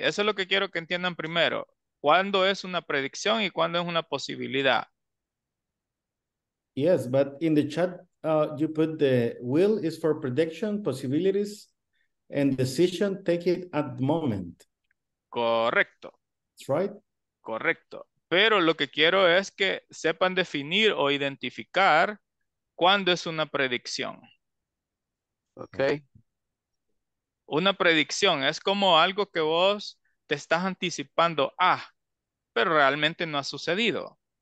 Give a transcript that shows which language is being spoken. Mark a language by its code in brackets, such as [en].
[es] Eso es lo que quiero que entiendan primero. ¿Cuándo es una predicción y cuándo es una posibilidad? [en] Yes, but in the chat, you put the will is for prediction, possibilities, and decision take it at the moment. [es] Correcto. [en] That's right. [es] Correcto. Pero lo que quiero es que sepan definir o identificar cuándo es una predicción. [en] Okay. [es] Una predicción es como algo que vos te estás anticipando a, pero realmente no ha sucedido.